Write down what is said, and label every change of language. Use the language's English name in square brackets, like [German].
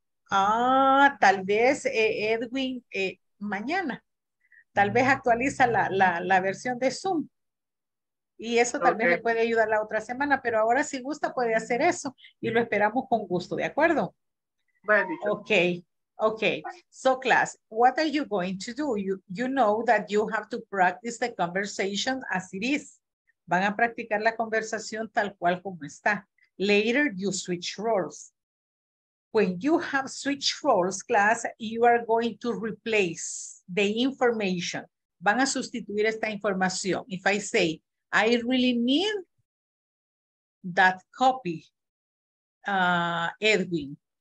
[Spanish] Ah, tal vez, Edwin, mañana. Tal vez actualiza la versión de Zoom. Y eso tal vez le puede ayudar la otra semana, pero ahora si gusta puede hacer eso y lo esperamos con gusto, ¿de acuerdo? Bueno, [English] okay. So class, what are you going to do? You know that you have to practice the conversation as it is. [Spanish] Van a practicar la conversación tal cual como está. [English] Later you switch roles. When you have switch roles, class, you are going to replace the information. [Spanish] Van a sustituir esta información. [English] If I say, I really need that copy, Edwin.